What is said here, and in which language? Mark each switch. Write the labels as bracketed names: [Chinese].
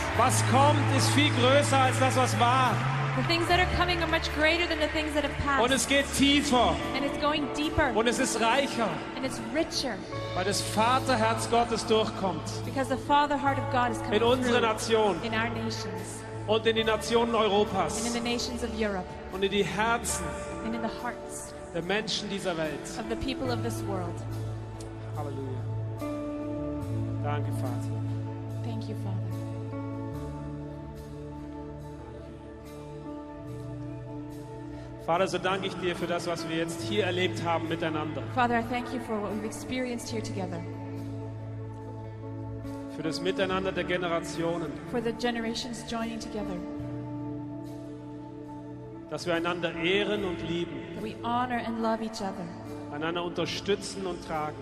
[German] Was kommt, ist viel größer als das, was war. [English] The things that are coming are much greater than the things that have passed. [German] Und es geht tiefer. [English] And it's going deeper. [German] Und es ist reicher. [English] And it's richer. [German] Weil das Vaterherz Gottes durchkommt. [English] Because the Father heart of God is coming [German] in unsere Nation. [English] In our nations. [German] Und in die Nationen Europas. [English] And in the nations of Europe. [German] Und in die Herzen. [English] And in the hearts. [German] Der Menschen dieser Welt. [English] Of the people of this world. [German] Halleluja. Danke, Vater. [English] Thank you, Father. [German] Vater, so danke ich dir für das, was wir jetzt hier erlebt haben miteinander. [English] Father, I thank you for what we've experienced here together. [German] Für das Miteinander der Generationen. [English] For the generations joining together. [German] Dass wir einander ehren und lieben. [English] That we honor and love each other. [German] Einander unterstützen und tragen.